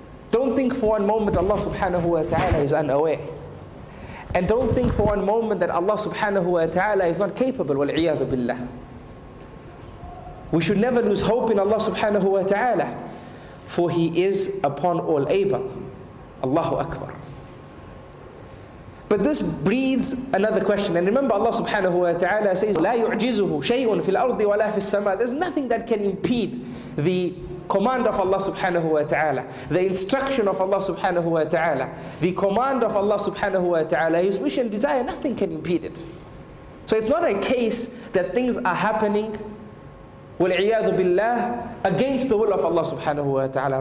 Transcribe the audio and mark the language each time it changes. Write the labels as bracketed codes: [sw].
[en] Don't think for one moment Allah subhanahu wa ta'ala is unaware. And don't think for one moment that Allah subhanahu wa ta'ala is not capable. Wal'iyadu billah. We should never lose hope in Allah subhanahu wa ta'ala, for He is upon all able. Allahu Akbar. But this breeds another question. And remember, Allah subhanahu wa ta'ala says, [ar] لا يعجزه شيء في الأرض ولا في السماء. [en] There's nothing that can impede the command of Allah subhanahu wa ta'ala, the instruction of Allah subhanahu wa ta'ala, the command of Allah subhanahu wa ta'ala, His wish and desire, nothing can impede it. So it's not a case that things are happening [ar] وَالْعِيَاذُ بِاللَّهِ [en] against the will of Allah subhanahu wa ta'ala.